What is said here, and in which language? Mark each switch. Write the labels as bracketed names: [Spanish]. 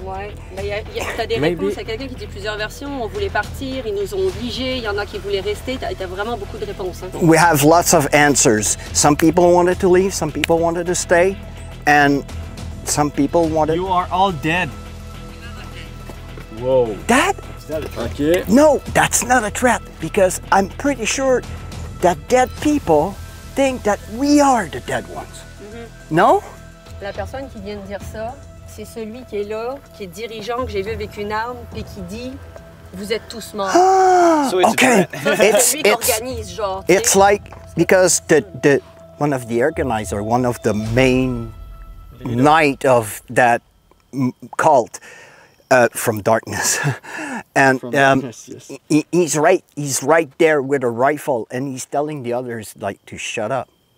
[French] T'as des réponses à quelqu'un qui dit plusieurs versions. On voulait partir, ils nous ont obligés, il y en a qui voulaient rester. T'as vraiment beaucoup de réponses. Hein? [English] We have lots of answers. Some people wanted to leave, some people wanted to stay, and some people wanted... You are all dead. Whoa. That? Is that a threat? Okay. No, that's not a threat, because I'm pretty sure that dead people think that we are the dead ones. Mm-hmm. No? [French] La personne qui vient de dire ça, c'est celui qui est là, qui est dirigeant, que j'ai vu avec une arme, et qui dit, vous êtes tous morts. [English] So it's okay, it's [French] lui qui organise, genre, [English] it's like, because the one of the organizers, one of the main knight of that cult from darkness, and from darkness, yes. he's right there with a rifle, and he's telling the others, like, to shut up.